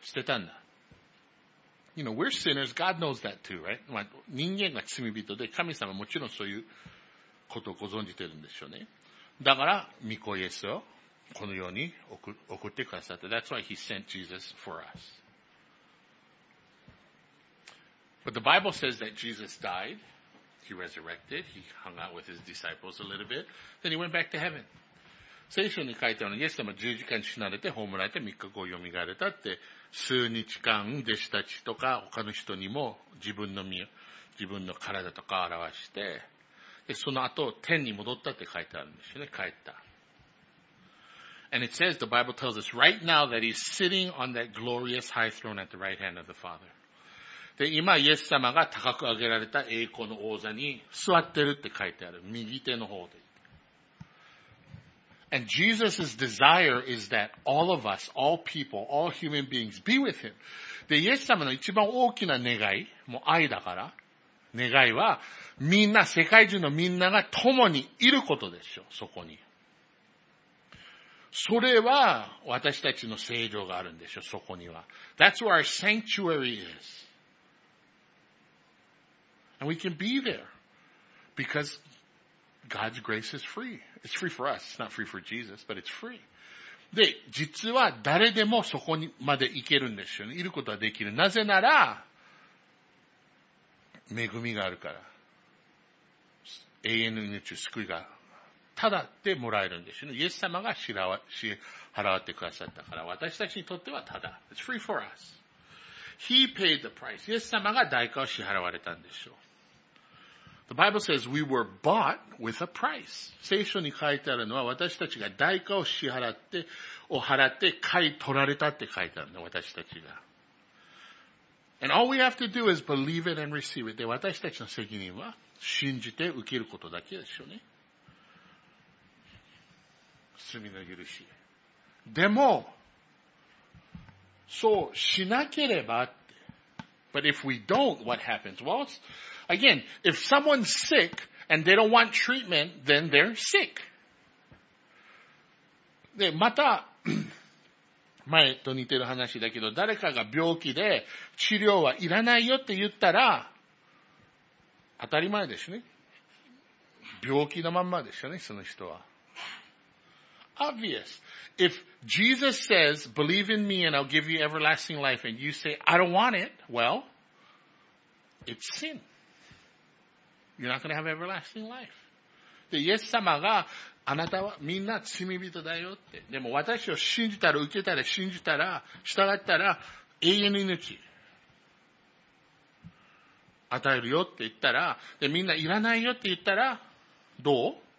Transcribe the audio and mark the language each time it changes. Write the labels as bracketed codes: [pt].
[ja] 捨てたんだ。 [en] You know, we're sinners. God knows that too, right? [ja] まあ、人間が罪人で、神様もちろんそういうことをご存じてるんでしょうね。だから、御子イエスをこの世に送ってくださった。 [en] That's why he sent Jesus for us. But the Bible says that Jesus died, he resurrected, he hung out with his disciples a little bit, then he went back to heaven. [ja] 聖書に書いてあるのに、イエス様は十字架に死なれて、葬られて、三日後よみがえったって、数日間弟子たちとか他の人にも自分の身、自分の体とかを表して、で、その後天に戻ったって書いてあるんですよね、帰った。 [en] And it says, the Bible tells us right now that he's sitting on that glorious high throne at the right hand of the Father. [ja] で、今、イエス様が高く上げられた栄光の王座に座ってるって書いてある。右手の方で。 [en] And Jesus' desire is that all of us, all people, all human beings be with him. [ja] で、イエス様の一番大きな願い、もう愛だから、願いは、みんな、世界中のみんなが共にいることでしょ、そこに。それは、私たちの聖場があるんでしょ、そこには。 [en] That's where our sanctuary is. And we can be there because God's grace is free. It's free for us. It's not free for Jesus, but it's free. [ja] で、実は誰でもそこにまで行けるんですよね。いることはできる。なぜなら、恵みがあるから。永遠の命、救いが、ただでもらえるんですよね。イエス様が支払ってくださったから、私たちにとってはただ。 [en] It's free for us. He paid the price. [ja] イエス様が代価を支払われたんでしょう。 [en] The Bible says we were bought with a price. [ja] 聖書に書いてあるのは私たちが代価を支払って、を払って買い取られたって書いてあるの、私たちが。 [en] And all we have to do is believe it and receive it. [ja] で、私たちの責任は信じて受けることだけでしょうね。罪の許し。でも、そうしなければって。 [en] But if we don't, what happens? Well, again, if someone's sick and they don't want treatment, then they're sick. [ja] で、また、前と似てる話だけど、誰かが病気で治療はいらないよって言ったら、当たり前ですね。病気のまんまですよね、その人は。 [en] Obvious. If Jesus says, believe in me and I'll give you everlasting life and you say, I don't want it, well, it's sin. You're not going to have everlasting life. [ja] で、イエス様があなたはみんな罪人だよって。でも私を信じたら受けたら信じたら従ったら永遠の命与えるよって言ったら、で、みんないらないよって言ったらどう?